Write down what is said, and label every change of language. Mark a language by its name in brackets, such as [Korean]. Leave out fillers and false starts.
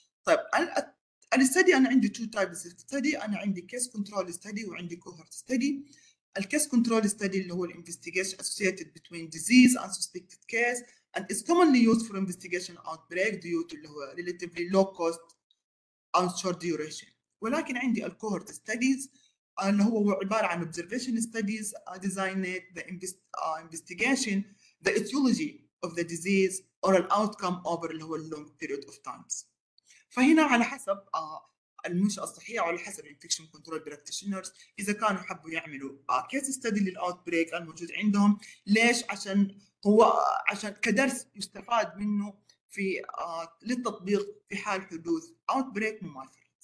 [Arabic] طيب [English] الاستدي [Arabic] انا عندي [English] two types study, انا عندي case control study [Arabic] وعندي [English] Cohort study. الكيس control study [Arabic] اللي هو [English] الانفستيجيشن associated between disease and suspected case and is commonly used for investigation outbreak due to اللي هو relatively low cost and short duration. [Arabic] ولكن عندي الكوهورت ستديز اللي هو عبارة عن [English] observation studies designed the investigation the etiology of the disease or an outcome over [Arabic] اللي هو [English] long period of times. [Arabic] فهنا على حسب المنشأة الصحية على حسب infection control practitioners إذا كانوا حبوا يعملوا كيس ستدي للأوتبريك الموجود عندهم. ليش؟ عشان هو عشان كدرس يستفاد منه في للتطبيق في حال حدوث أوتبريك مماثل.